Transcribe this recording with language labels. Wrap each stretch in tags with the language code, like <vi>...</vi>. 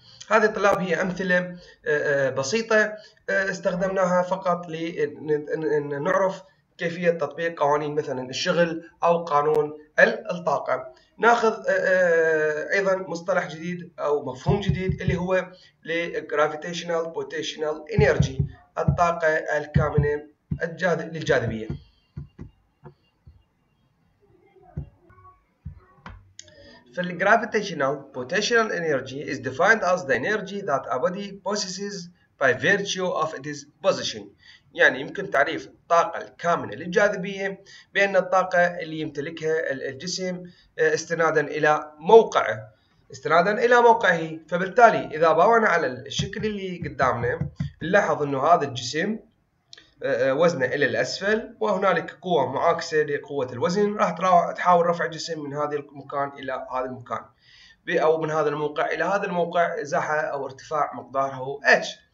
<ar>هذه الطلاب هي أمثلة بسيطة استخدمناها فقط لنعرف كيفية تطبيق قوانين مثلا الشغل أو قانون الطاقة. ناخذ ايضا مصطلح جديد او مفهوم جديد، اللي هو Gravitational Potential Energy، الطاقه الكامنه للجاذبيه.</ar> <en>فالGravitational Potential Energy is defined as the energy that a body possesses by virtue of its position.</en> <ar>يعني يمكن تعريف الطاقة الكامنة للجاذبية بأن الطاقة اللي يمتلكها الجسم استناداً إلى موقعه، استناداً إلى موقعه. فبالتالي إذا باوعنا على الشكل اللي قدامنا، نلاحظ أنه هذا الجسم وزنه إلى الأسفل، وهنالك قوة معاكسة لقوة الوزن راح تحاول رفع الجسم من هذا المكان إلى هذا المكان، أو من هذا الموقع إلى هذا الموقع، إزاحة أو ارتفاع مقداره H.</ar>